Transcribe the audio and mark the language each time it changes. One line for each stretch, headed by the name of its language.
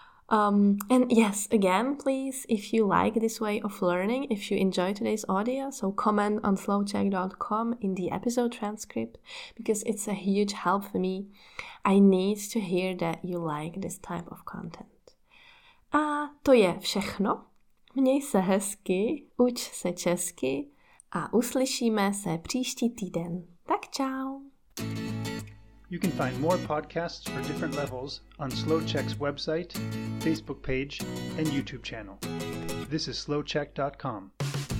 English: And yes, again, please, if you like this way of learning, if you enjoy today's audio, so comment on slowcheck.com in the episode transcript, because it's a huge help for me. I need to hear that you like this type of content.
Czech: A to je všechno. Měj se hezky, uč se česky a uslyšíme se příští týden. Tak čau!
English: You can find more podcasts for different levels on SlowCzech's website, Facebook page, and YouTube channel. This is slowcheck.com.